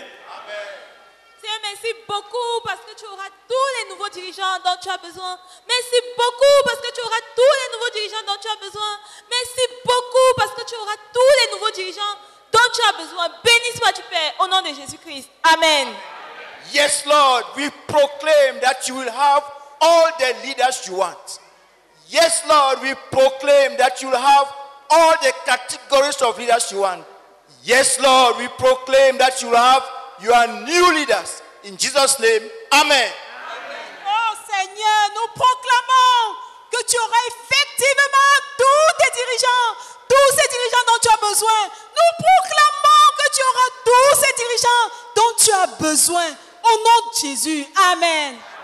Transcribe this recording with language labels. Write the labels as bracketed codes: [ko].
[fr] Amen. Seigneur, merci beaucoup parce que tu auras tous les nouveaux dirigeants dont tu as besoin. Merci beaucoup parce que tu auras tous les nouveaux dirigeants dont tu as besoin. Merci beaucoup parce que tu auras tous les nouveaux dirigeants dont tu as besoin. Béni sois-tu, Père, au nom de Jésus-Christ. Amen. [en] Yes, Lord, we proclaim that you will have all the leaders you want. Yes, Lord, we proclaim that you will have all the categories of leaders you want. Yes, Lord, we proclaim that you will have your new leaders. In Jesus' name, amen. Amen. [fr] Oh, Seigneur, nous proclamons que tu auras effectivement tous tes dirigeants, tous ces dirigeants dont tu as besoin. Nous proclamons que tu auras tous ces dirigeants dont tu as besoin. Au nom de Jésus, amen.